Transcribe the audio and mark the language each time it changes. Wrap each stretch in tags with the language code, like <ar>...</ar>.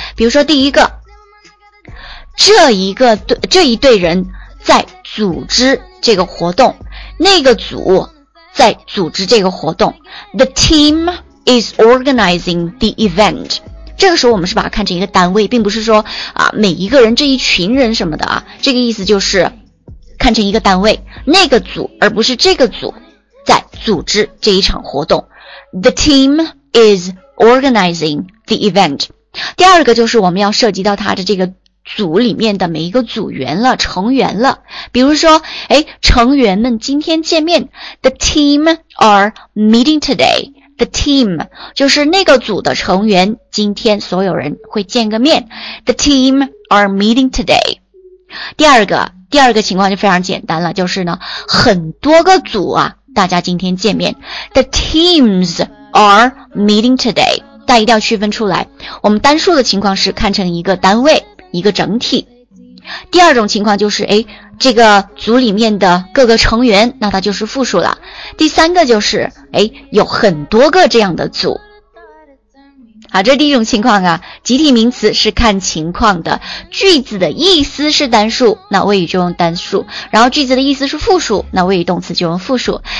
<zh>比如说第一个，这一队人在组织这个活动，那个组在组织这个活动，</zh> <en>the teamis organizing the event.</en> <zh>这个时候我们是把它看成一个单位，并不是说啊每一个人这一群人什么的啊，这个意思就是看成一个单位，那个组而不是这个组在组织这一场活动。</zh> <en>The team is organizing the event.</en> <zh>第二个就是我们要涉及到它的这个组里面的每一个组员了，成员了。比如说，诶，成员们今天见面，</zh> <en>The team are meeting today.</en> <zh>The team 就是那个组的成员，今天所有人会见个面。</zh> <en>The team are meeting today.</en> <zh>第二个情况就非常简单了，就是呢，很多个组啊，大家今天见面。</zh> <en>The teams are meeting today.</en> <zh>大家一定要区分出来。我们单数的情况是看成一个单位，一个整体。第二种情况就是，诶，这个组里面的各个成员，那它就是复数了。第三个就是，诶，有很多个这样的组。好，这第一种情况啊，集体名词是看情况的，句子的意思是单数，那谓语就用单数，然后句子的意思是复数，那谓语动词就用复数。</zh>